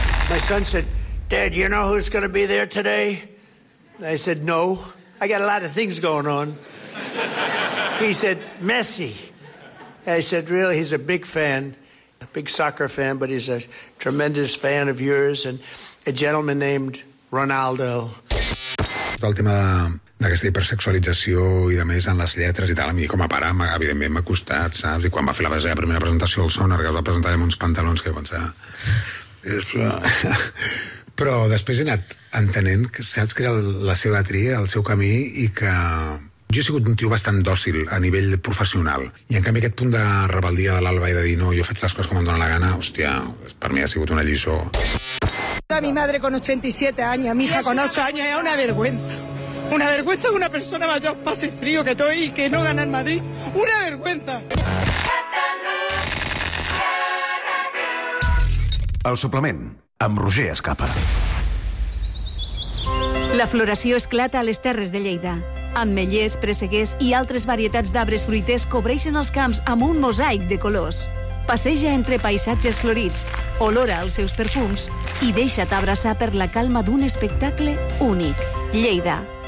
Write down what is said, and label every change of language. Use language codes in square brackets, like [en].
[en] My son said, Dad, you know who's going to be there today? I said, no. I got a lot of things going on. He said, Messi. I said, really? He's a big fan, a big soccer fan, but he's a tremendous fan of yours and a gentleman named Ronaldo. [ca] El tema d'aquesta hipersexualització i, de més, en les lletres i tal, a mi com a pare, evidentment, m'ha costat, saps? I quan va fer la base de primera presentació al Sonar, que es va presentar amb uns pantalons que pensava... Però després he anat entenent que saps que era la seva tria, el seu camí, i que jo he sigut un tio bastant dòcil a nivell professional, i en canvi aquest punt de rebel·lia de l'Alba i de dir no, jo faig les coses com em dóna la gana, hòstia, per mi ha sigut una lliçó. [es] A mi madre con 87 años, a mi hija con 8 años, es una vergüenza que una persona mayor pase frío que tú y que no gana en Madrid, una vergüenza. [ca] El suplement, amb Roger Escapa. La floració esclata a les Terres de Lleida. Ametllers, presseguers i altres varietats d'arbres fruiters cobreixen els camps amb un mosaic de colors. Passeja entre paisatges florits, olora els seus perfums i deixa't abraçar per la calma d'un espectacle únic. Lleida.